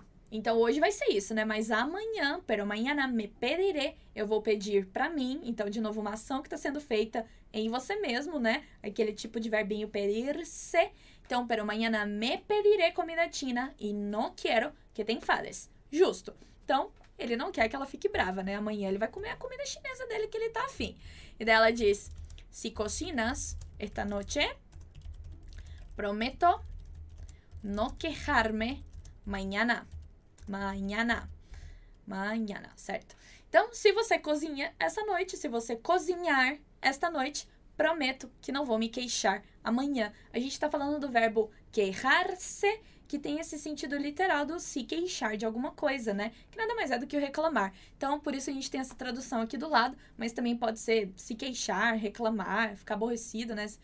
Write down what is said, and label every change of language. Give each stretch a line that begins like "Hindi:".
Portuguese: Então, hoje vai ser isso, né? Mas amanhã,
Spanish: pero mañana me pediré,
Portuguese: eu vou pedir pra mim. Então, de novo, uma ação que tá sendo feita em você mesmo, né? Aquele tipo de verbinho pedir-se. Então,
Spanish: pero mañana me pediré comida china e no quiero que te enfades.
Portuguese: Justo. Então, ele não quer que ela fique brava, né? Amanhã ele vai comer a comida chinesa dele que ele tá afim. E daí ela diz,
Spanish: si cocinas esta noche, prometo no quejarme mañana.
Portuguese: Mañana, certo? Então, se você cozinha essa noite, se você cozinhar esta noite, prometo que não vou me queixar amanhã. A gente tá falando do verbo quejarse, que tem esse sentido literal do se queixar de alguma coisa, né? Que nada mais é do que o reclamar. Então, por isso a gente tem essa tradução aqui do lado, mas também pode ser se queixar, reclamar, ficar aborrecido, né?